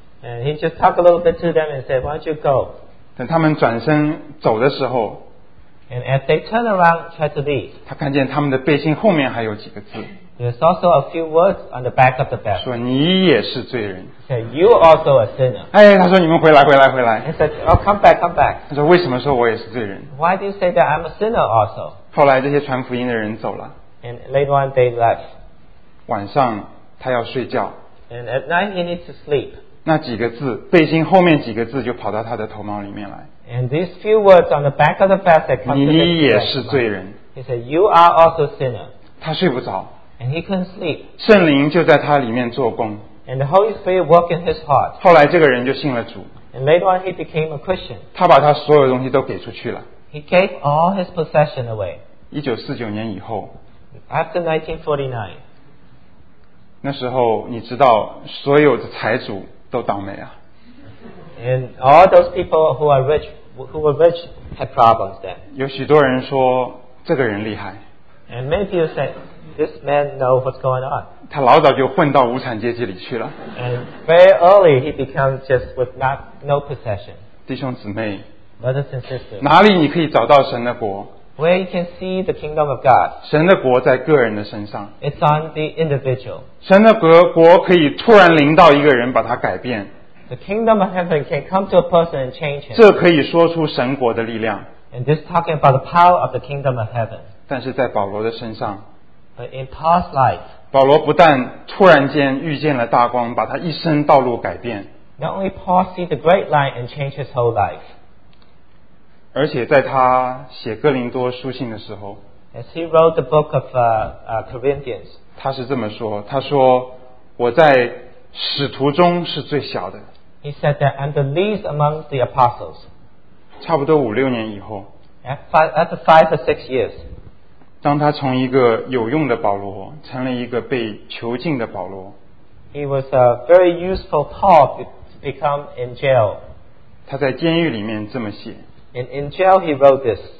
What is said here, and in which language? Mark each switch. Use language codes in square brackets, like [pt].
[en] And he just talked a little bit to them and said, why don't you go? [zh] 等他们转身走的时候， [en] and as they turn around, try to leave, [zh] 他看见他们的背心后面还有几个字。 [en] There's also a few words on the back of the vest. [zh] 说你也是罪人。 [en] Say you also a sinner. [zh] 哎，他说你们回来，回来，回来。 [en] He said, "Oh, come back, come back." [zh] 他说为什么说我也是罪人 [en] ？Why do you say that I'm a sinner also? [zh] 后来这些传福音的人走了。 [en] And later on, they left. [zh] 晚上他要睡觉。 [en] And at night, he needs to sleep. [zh] 那几个字，背心后面几个字就跑到他的头毛里面来。 [en] And these few words on the back of the vest that come to the head. [zh] 你也是罪人。 [en] He said, "You are also sinner." [zh] 他睡不着。 [en] And he couldn't sleep. [zh] 圣灵就在他里面做工。 [en] And the Holy Spirit worked in his heart. [zh] 后来这个人就信了主。 [en] And later on, he became a Christian. [zh] 他把他所有东西都给出去了。 [en] He gave all his possession away. [zh] 1949年以后。 [en] After 1949. [zh] 那时候你知道所有的财主。都倒霉啊。 [en] And all those people who are rich, who were rich had problems then. [zh] 有许多人说这个人厉害。 [en] And many people said, this man knows what's going on. [zh] 他老早就混到无产阶级里去了。 [en] And very early he became just with not, no possession. [zh] 弟兄姊妹。 [en] Brothers and sisters. [zh] 哪里你可以找到神的国？ [en] Where you can see the kingdom of God. [zh] 神的国在个人的身上。 [en] It's on the individual. [zh] 神的国可以突然临到一个人把他改变。 [en] The kingdom of heaven can come to a person and change him. [zh] 这可以说出神国的力量。 [en] And this is talking about the power of the kingdom of heaven. [zh] 但是在保罗的身上。 [en] But in Paul's life, [zh] 保罗不但突然间遇见了大光，把他一生道路改变。 [en] Not only Paul see the great light and change his whole life. [zh] 而且在他写哥林多书信的时候， [en] as he wrote the book of Corinthians, [zh] 他是这么说，他说我在使徒中是最小的。 [en] He said that I'm the least among the apostles. [zh] 差不多五六年以后， [en] after 5 or 6 years. [zh] 当他从一个有用的保罗成了一个被囚禁的保罗， [en] He was a very useful Paul to become in jail. [zh] 他在监狱里面这么写， [en] In jail he wrote this.